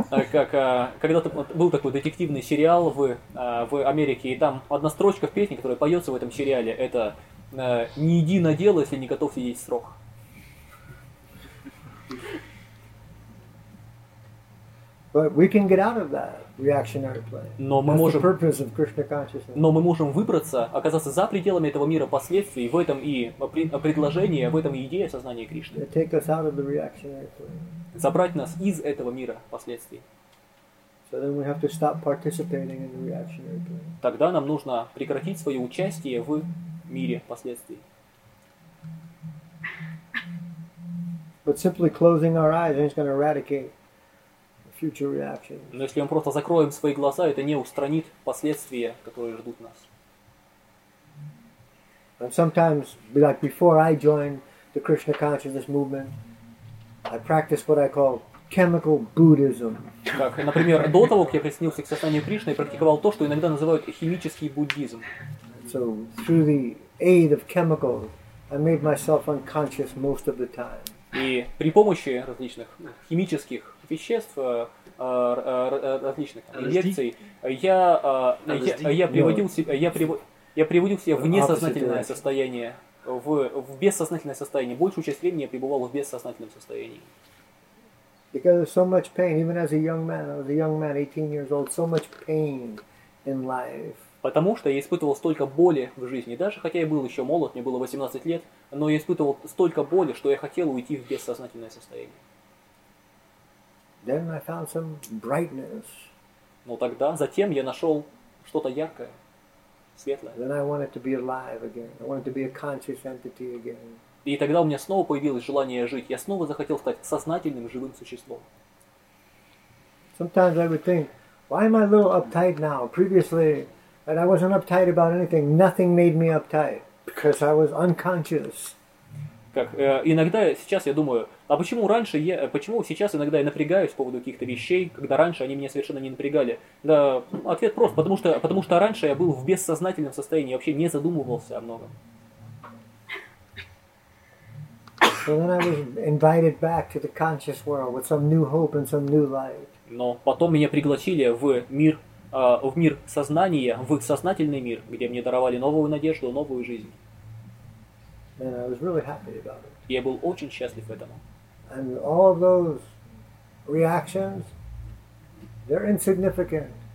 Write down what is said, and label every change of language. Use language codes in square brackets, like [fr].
[ru] Как когда-то был такой детективный сериал в Америке, и там одна строчка в песне, которая поется в этом сериале, это «Не иди на дело, если не готов сидеть срок». [en] But we can get out of that reactionary play. [ru] Но мы можем, [en] that's the purpose of Krishna consciousness. [ru] Но мы можем выбраться, оказаться за пределами этого мира последствий, в этом и предложение, в этом и идея сознания Кришны. [en] Take us out of the reactionary play. [ru] Забрать нас из этого мира последствий. [en] So then we have to stop participating in the reactionary play. [ru] Тогда нам нужно прекратить свое участие в мире последствий. [en] But simply closing our eyes isn't going to eradicate future reactions. [ru] Но если мы просто закроем свои глаза, это не устранит последствия, которые ждут нас. [en] And sometimes, like before I joined the Krishna consciousness movement, I practiced what I call chemical Buddhism. [ru] Так, например, до того, как я присоединился к сознанию Кришны, я практиковал то, что иногда называют химический буддизм. [en] So through the aid of chemicals, I made myself unconscious most of the time. [ru] И при помощи различных химических веществ, различных инъекций, я приводил себя в несознательное состояние, в бессознательное состояние. Большую часть времени я пребывал в бессознательном состоянии. [en] Because there's so much pain, even as a young man, I was a young man, 18 years old, so much pain in life. [ru] Потому что я испытывал столько боли в жизни, даже хотя я был еще молод, мне было 18 лет, но я испытывал столько боли, что я хотел уйти в бессознательное состояние. [en] Then I found some brightness. [ru] Но тогда, затем я нашел что-то яркое, светлое. [en] Then I wanted to be alive again. I wanted to be a conscious entity again. [ru] И тогда у меня снова появилось желание жить. Я снова захотел стать сознательным живым существом. [en] Sometimes I would think, why am I a little uptight now? Previously, and I wasn't uptight about anything. Nothing made me uptight because I was unconscious. [ru] Как иногда сейчас я думаю, а почему раньше я, почему сейчас иногда я напрягаюсь по поводу каких-то вещей, когда раньше они меня совершенно не напрягали? Да, ответ прост, потому что раньше я был в бессознательном состоянии, вообще не задумывался о многом. [en] So then I was invited back to the conscious world with some new hope and some new light. [ru] Но потом меня пригласили в мир сознания, в их сознательный мир, где мне даровали новую надежду, новую жизнь. [en] And I was really happy about it. [ru] Я был очень счастлив этому. [en] And all of those reactions, they're insignificant.